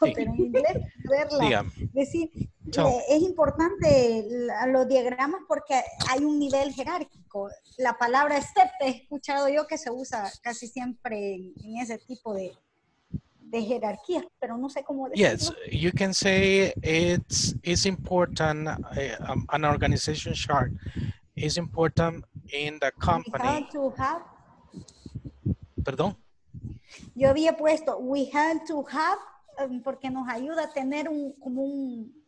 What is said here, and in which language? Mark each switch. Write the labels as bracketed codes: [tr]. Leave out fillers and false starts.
[es] Sí. Pero en inglés, verla. Dígame. Es decir, es importante los diagramas porque hay un nivel jerárquico. La palabra step, he escuchado yo que se usa casi siempre en ese tipo de jerarquías, pero no sé cómo decirlo. [en] Yes, you can say it's important, an organization chart is important in the company. We had to have. [es] Perdón. Yo había puesto, [en] we had to have, [es] porque nos ayuda a tener un, como un,